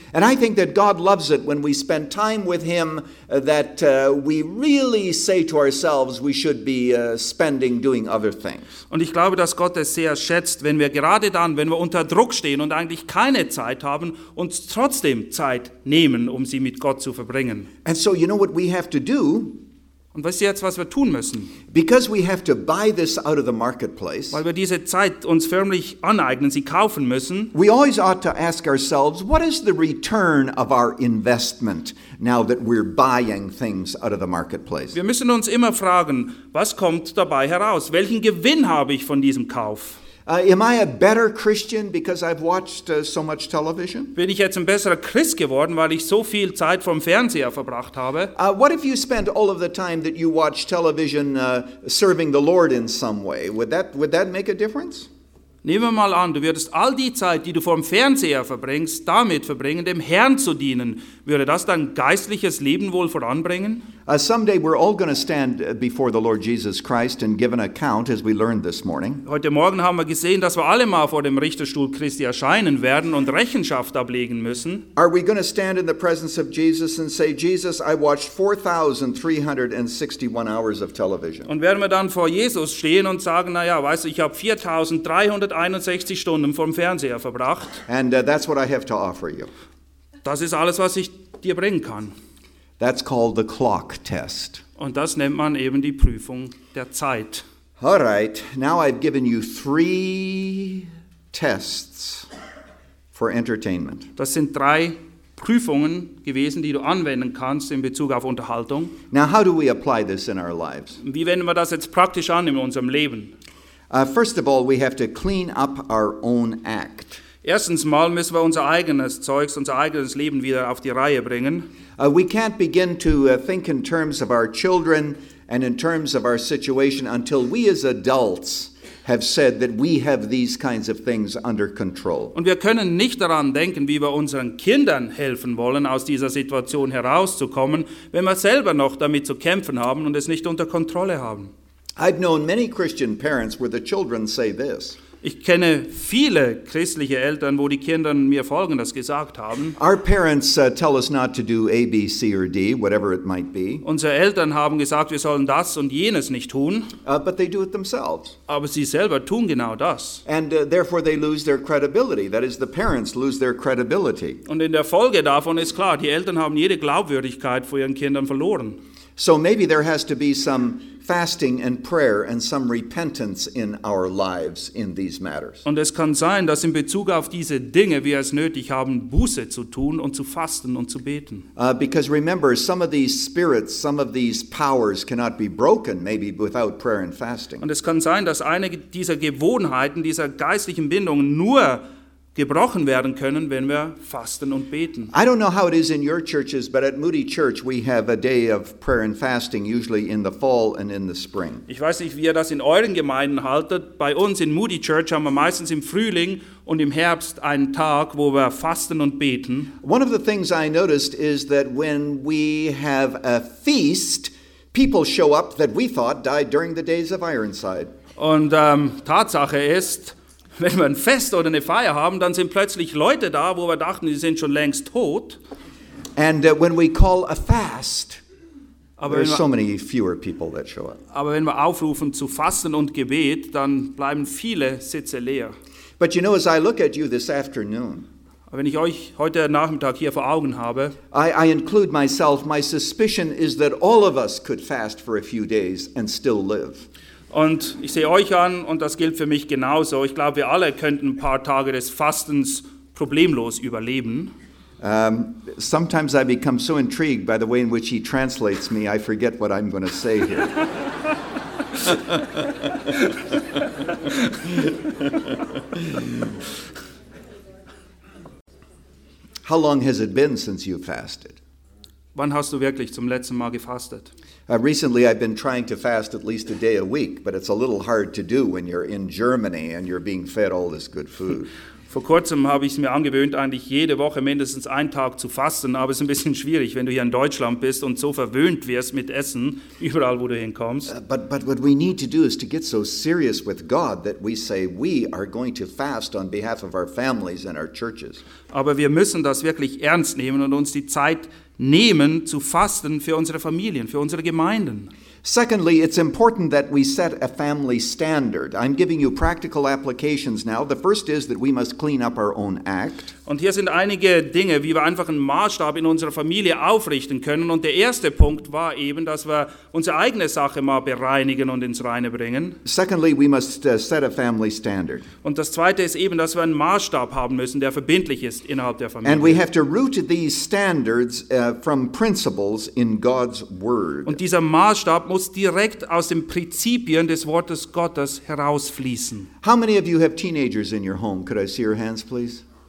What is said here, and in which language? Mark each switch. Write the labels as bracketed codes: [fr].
[en] And I think that God loves it when we spend time with him, that we really say to ourselves we should be spending doing other things. [de] Und ich glaube, dass Gott es sehr schätzt, wenn wir gerade dann, wenn wir unter Druck stehen und eigentlich keine Zeit haben, uns trotzdem Zeit nehmen, um sie mit Gott zu verbringen. [en] And so you know what we have to do? [de] Und weißt du jetzt, was wir tun müssen? [en] Because we have to buy this out of the marketplace, [de] weil wir diese Zeit uns förmlich aneignen, sie kaufen müssen. [en] We always ought to ask ourselves, what is the return of our investment now that we're buying things out of the marketplace? [de] Wir müssen uns immer fragen, was kommt dabei heraus? Welchen Gewinn habe ich von diesem Kauf? [en] Am I a better Christian because I've watched so much television? [de] Bin ich jetzt ein besserer Christ geworden, weil ich so viel Zeit vorm Fernseher verbracht habe? [en] What if you spent all of the time that you watch television serving the Lord in some way? Would that make a difference? [de] Nehmen wir mal an, du würdest all die Zeit, die du vorm Fernseher verbringst, damit verbringen, dem Herrn zu dienen. Würde das dein geistliches Leben wohl voranbringen? [en] Someday we're all going to stand before the Lord Jesus Christ and give an account, as we learned this morning. [de] Heute Morgen haben wir gesehen, dass wir alle mal vor dem Richterstuhl Christi erscheinen werden und Rechenschaft ablegen müssen. [en] Are we going to stand in the presence of Jesus and say, Jesus, I watched 4,361 hours of television? [de] Und werden wir dann vor Jesus stehen und sagen, naja, weißt du, ich habe 4,361 Stunden vorm Fernseher verbracht. [en] And that's what I have to offer you. [de] Das ist alles, was ich dir bringen kann. [en] That's called the clock test. [de] Und das nennt man eben die Prüfung der Zeit. [en] All right, now I've given you 3 tests for entertainment. [de] Das sind 3 Prüfungen gewesen, die du anwenden kannst in Bezug auf Unterhaltung. [en] Now how do we apply this in our lives? [de] Wie wenden wir das jetzt praktisch an in unserem Leben? [en] First of all, we have to clean up our own act. [de] Erstens mal müssen wir unser eigenes Zeugs, unser eigenes Leben wieder auf die Reihe bringen. [en] We can't begin to think in terms of our children and in terms of our situation until we as adults have said that we have these kinds of things under control. [de] Und wir können nicht daran denken, wie wir unseren Kindern helfen wollen, aus dieser Situation herauszukommen, wenn wir selber noch damit zu kämpfen haben und es nicht unter Kontrolle haben. [en] I've known many Christian parents where the children say this. [de] Ich kenne viele christliche Eltern, wo die Kinder mir Folgendes gesagt haben. [en] Our parents tell us not to do A, B, C or D, whatever it might be. [de] Unsere Eltern haben gesagt, wir sollen das und jenes nicht tun. [en] But they do it themselves. [de] Aber sie selber tun genau das. [en] And therefore they lose their credibility. That is, the parents lose their credibility. [de] Und in der Folge davon ist klar, die Eltern haben jede Glaubwürdigkeit vor ihren Kindern verloren. [en] So maybe there has to be some fasting and prayer and some repentance in our lives in these matters. [de] Und es kann sein, dass in Bezug auf diese Dinge wir es nötig haben, Buße zu tun und zu fasten und zu beten. [en] Because remember, some of these spirits, some of these powers cannot be broken maybe without prayer and fasting. [de] Und es kann sein, dass einige dieser Gewohnheiten, dieser geistlichen Bindungen nur gebrochen werden können, wenn wir fasten und beten. [en] I don't know how it is in your churches, but at Moody Church we have a day of prayer and fasting usually in the fall and in the spring. [de] Ich weiß nicht, wie ihr das in euren Gemeinden haltet. Bei uns in Moody Church haben wir meistens im Frühling und im Herbst einen Tag, wo wir fasten und beten. [en] One of the things I noticed is that when we have a feast, people show up that we thought died during the days of Ironside. [de] Und Tatsache ist, wenn wir ein Fest oder eine Feier haben, dann sind plötzlich Leute da, wo wir dachten, die sind schon längst tot. [en] And when we call a fast, [de] Aber [en] there are so many fewer people that show up. [de] Aber wenn wir aufrufen zu Fasten und Gebet, dann bleiben viele Sitze leer. [en] But you know, as I look at you this afternoon, [de] wenn ich euch heute Nachmittag hier vor Augen habe, [en] I include myself. My suspicion is that all of us could fast for a few days and still live. [de] Und ich sehe euch an, und das gilt für mich genauso. Ich glaube, wir alle könnten ein paar Tage des Fastens problemlos überleben. [en] Sometimes I become so intrigued by the way in which he translates me, I forget what I'm going to say here. How long has it been since you fasted? [de] Wann hast du wirklich zum letzten Mal gefastet? [en] Recently I've been trying to fast at least a day a week, but it's a little hard to do when you're in Germany and you're being fed all this good food. [de] Vor kurzem habe ich es mir angewöhnt, eigentlich jede Woche mindestens einen Tag zu fasten, aber es ist ein bisschen schwierig, wenn du hier in Deutschland bist und so verwöhnt wirst mit Essen, überall, wo du hinkommst. [en] But what we need to do is to get so serious with God that we say we are going to fast on behalf of our families and our churches. [de] Aber wir müssen das wirklich ernst nehmen und uns die Zeit nehmen zu fasten für unsere Familien, für unsere Gemeinden. [en] Secondly, it's important that we set a family standard. I'm giving you practical applications now. The first is that we must clean up our own act. [de] Und hier sind einige Dinge, wie wir einfach einen Maßstab in unserer Familie aufrichten können. Und der erste Punkt war eben, dass wir unsere eigene Sache mal bereinigen und ins Reine bringen. [en] Secondly, we must set a family standard. [de] Und das zweite ist eben, dass wir einen Maßstab haben müssen, der verbindlich ist innerhalb der Familie. [en] And we have to root these standards from principles in God's Word. [de] Und dieser Maßstab muss direkt aus den Prinzipien des Wortes Gottes herausfließen. [en] How many of you have teenagers in your home? Could I see your hands, please?